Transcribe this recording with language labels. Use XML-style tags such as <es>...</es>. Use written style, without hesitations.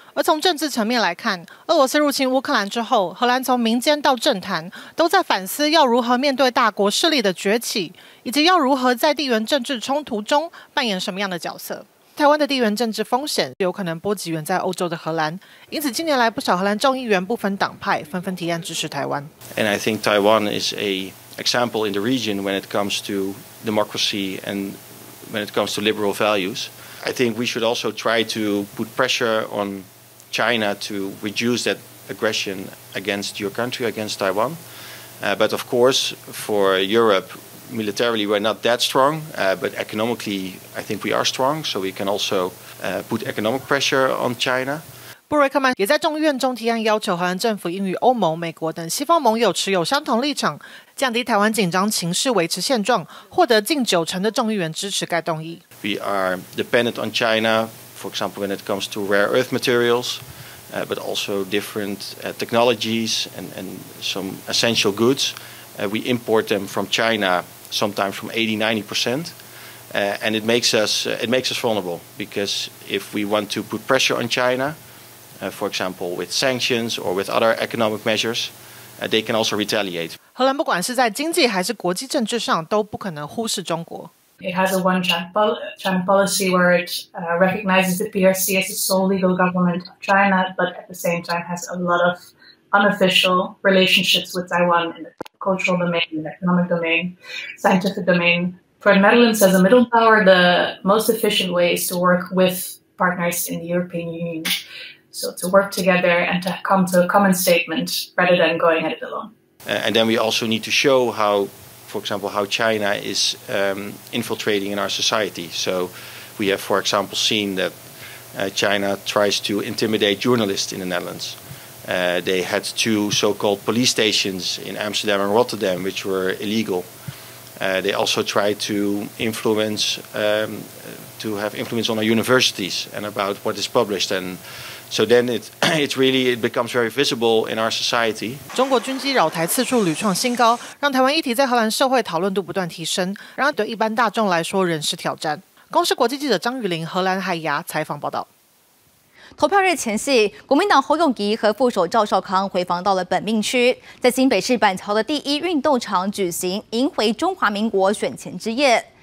<zh>而从政治层面来看，俄罗斯入侵乌克兰之后，荷兰从民间到政坛都在反思要如何面对大国势力的崛起，以及要如何在地缘政治冲突中扮演什么样的角色。台湾的地缘政治风险有可能波及远在欧洲的荷兰，因此近年来不少荷兰众议员不分党派纷纷提案支持台湾。</zh> <en>And I think Taiwan is a example in the region when it comes toDemocracy and when it comes to liberal values. I think we should also try to put pressure on China to reduce that aggression against your country, against Taiwan. But of course, for Europe, militarily we're not that strong, but economically I think we are strong, so we can also put economic pressure on China.</en> <zh>布瑞克曼也在众议院中提案，要求荷兰政府应与欧盟、美国等西方盟友持有相同立场，降低台湾紧张情势，维持现状，获得近九成的众议员支持该动议。</zh> <en>We are dependent on China, for example, when it comes to rare earth materials, but also different technologies and some essential goods. We import them from China, sometimes from 80-90%. And it makes us vulnerable because if we want to put pressure on China. For example, with sanctions or with other economic measures, they can also retaliate.</en> <zh>荷兰不管是在经济还是国际政治上都不可能忽视中国。</zh> <en>It has a one-China policy where it recognizes the PRC as the sole legal government of China, but at the same time has a lot of unofficial relationships with Taiwan in the cultural domain, in the economic domain, scientific domain. For Netherlands as a middle power, the most efficient way is to work with partners in the European Union. So to work together and to come to a common statement rather than going at it alone. And then we also need to show how, for example, how China is infiltrating in our society. So we have, for example, seen that China tries to intimidate journalists in the Netherlands. They had two so-called police stations in Amsterdam and Rotterdam, which were illegal. They also tried to influence, to have influence on our universities and about what is published. And so then it becomes very visible in our society.</en> <zh>中国军机扰台次数屡创新高，让台湾议题在荷兰社会讨论度不断提升，然而对一般大众来说仍是挑战。公视国际记者张雨玲荷兰海牙采访报道。投票日前夕，国民党侯友宜和副手赵少康回访到了本命区，在新北市板桥的第一运动场举行迎回中华民国选前之夜。</zh>